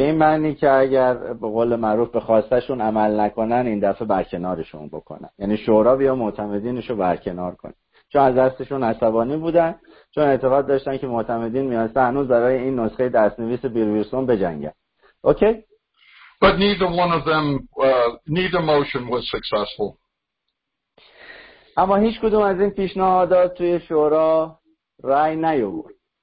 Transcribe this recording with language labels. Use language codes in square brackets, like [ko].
[fa] به این معنی که اگر به قول معروف به خواستشون عمل نکنن این دفعه برکنارشون بکنن. یعنی شورا بیا معتمدینشو برکنار کنه. چون از دستشون عصبانی بودن چون اعتقاد داشتن که معتمدین میانسته هنوز برای این نسخه دستنویس بیل ویلسون بجنگن. [en] Okay? But neither one of them, neither motion was successful. [fa] اما هیچ کدوم از این پیشنهادا توی شورا رأی نیاورد.